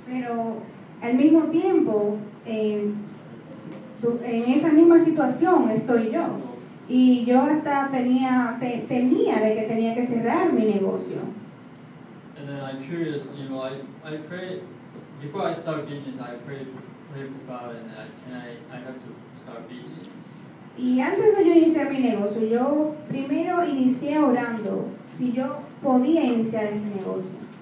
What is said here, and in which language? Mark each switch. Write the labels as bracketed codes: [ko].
[es] Pero al mismo tiempo, en esa misma situación estoy yo. Y yo hasta tenía de que tenía que cerrar mi negocio. [en] And then I'm curious, you know, I pray, before I start business, I pray for God, and I have to start business. [es] Y antes de yo iniciar mi negocio, yo primero inicié orando, si yo podía iniciar ese negocio.